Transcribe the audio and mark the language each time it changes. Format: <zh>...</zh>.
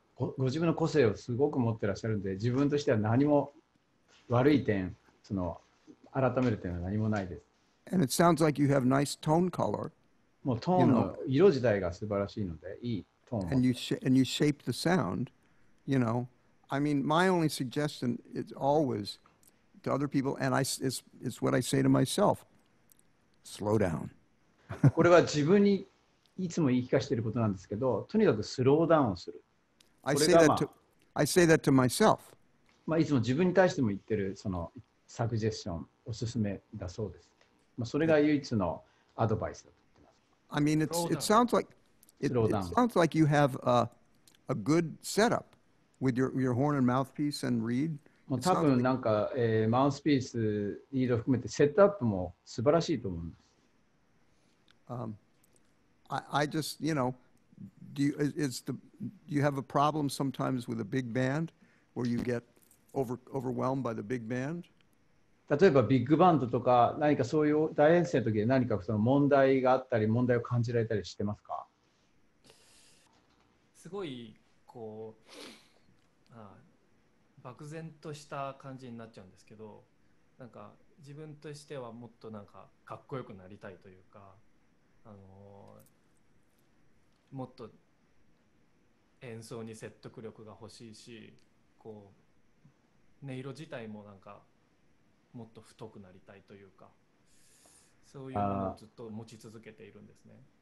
<ja>ご自分の個性をすごく持ってらっしゃるんで、自分としては何も悪い点、その改める点は何もないです。</ja> <en>And it sounds like you have nice tone color.</en> <ja>もうトーンの色自体が素晴らしいので、いいトーン。</ja> <en>And you shape the sound. You know. I mean, my only suggestion is always to other people, and it's what I say to myself, slow down.</en> <ja>これは自分にいつも言い聞かせていることなんですけど、とにかくスローダウンをする。</ja> <en>I say that to myself.</en> <ja>まあ、いつも自分に対しても言ってるそのサグジェッション、おすすめだそうです。まあ、それが唯一のアドバイスだと言ってます。</ja> <en>I mean, it sounds like you have a good setup. With your horn and mouthpiece and reed. もう多分なんか、マウスピース、リード含めてセットアップも素晴らしいと思うんです。 I just, you know, do you have a problem sometimes with a big band where you get overwhelmed by the big band?</en> <ja>例えばビッグバンドとか何かそういう大編成の時で何かその問題があったり問題を感じられたりしてますか？すごいこう。漠然とした感じになっちゃうんですけど、なんか自分としてはもっとなんかかっこよくなりたいというか、もっと演奏に説得力が欲しいし、こう音色自体もなんかもっと太くなりたいというか、そういうものをずっと持ち続けているんですね。</ja>